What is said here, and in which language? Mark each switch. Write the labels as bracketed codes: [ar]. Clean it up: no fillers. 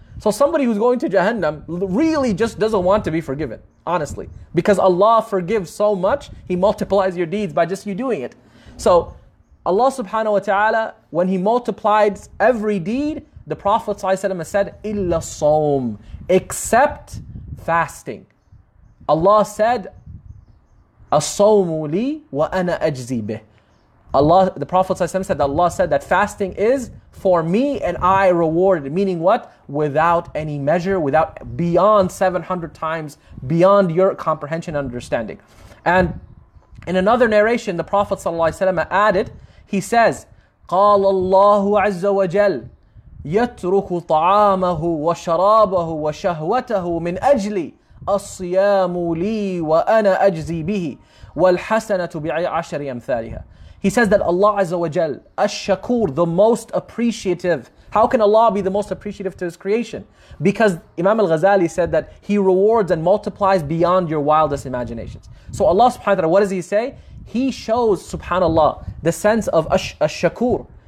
[en] So somebody who's going to Jahannam really just doesn't want to be forgiven, honestly. Because Allah forgives so much, He multiplies your deeds by just you doing it. So Allah subhanahu wa ta'ala, when He multiplies every deed, the Prophet ﷺ has said, [ar] إِلَّا الصَّوْمُ, [en] except fasting. Allah said, [ar] أَصَوْمُ لِي وَأَنَا أَجْزِي بِهِ. [en] Allah, the Prophet ﷺ said that Allah said that fasting is for me and I rewarded. Meaning what? Without any measure, without beyond 700 times, beyond your comprehension and understanding. And in another narration, the Prophet ﷺ added, he says, [ar] قَالَ اللَّهُ عَزَّ وَجَلْ يَتْرُكُ طَعَامَهُ وَشَرَابَهُ وَشَهْوَتَهُ مِنْ أَجْلِي أَصْيَامُ لِي وَأَنَا أَجْزِي بِهِ وَالْحَسَنَةُ بِعَشْرِ أَمْثَالِهَا. [en] He says that Allah Azza wa Jal, Ash-Shakur, the most appreciative. How can Allah be the most appreciative to His creation? Because Imam Al-Ghazali said that He rewards and multiplies beyond your wildest imaginations. So Allah subhanahu wa ta'ala, what does He say? He shows, subhanallah, the sense of Ash-Shakur.